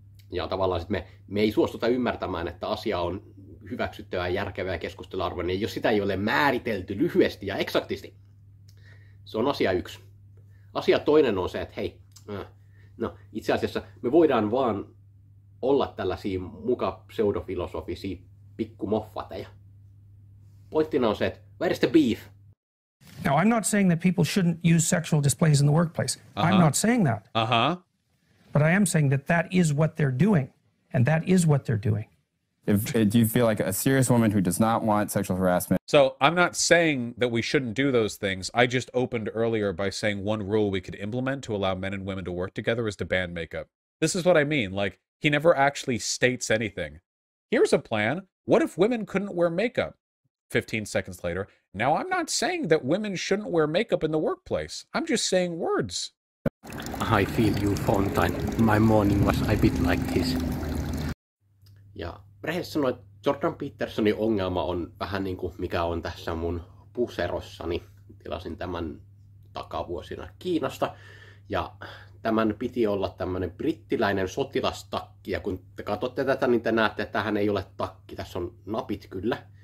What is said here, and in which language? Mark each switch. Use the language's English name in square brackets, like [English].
[Finnish] Ja tavallaan sit me ei suostuta ymmärtämään, että asia on hyväksyttävä, järkevä ja keskusteluarvoinen, jos sitä ei ole määritelty lyhyesti ja eksaktisti. Se on asia yksi. Asia toinen on se, että hei, no itse asiassa me voidaan vaan olla tällaisia muka pseudofilosofisia pikkumoffateja. Pointtina on se, että [English] where's the beef? Now I'm not saying that people shouldn't use sexual displays in the workplace. Uh-huh. I'm not saying that. Uh-huh. But I am saying that that is what they're doing. And that is what they're doing. Do you feel like a serious woman who does not want sexual harassment? So I'm not saying that we shouldn't do those things. I just opened earlier by saying one rule we could implement to allow men and women to work together is to ban makeup. This is what I mean. Like, he never actually states anything. Here's a plan. What if women couldn't wear makeup? 15 seconds later. Now I'm not saying that women shouldn't wear makeup in the workplace. I'm just saying words. I feel you, Fontaine. My morning was a bit like this. Yeah. [Finnish] Rehes sanoi, että Jordan Petersonin ongelma on vähän niin kuin mikä on tässä mun puserossani. Tilasin tämän takavuosina Kiinasta. Ja tämän piti olla tämmöinen brittiläinen sotilastakki. Ja kun te katsotte tätä, niin te näette, että tämähän ei ole takki. Tässä on napit kyllä.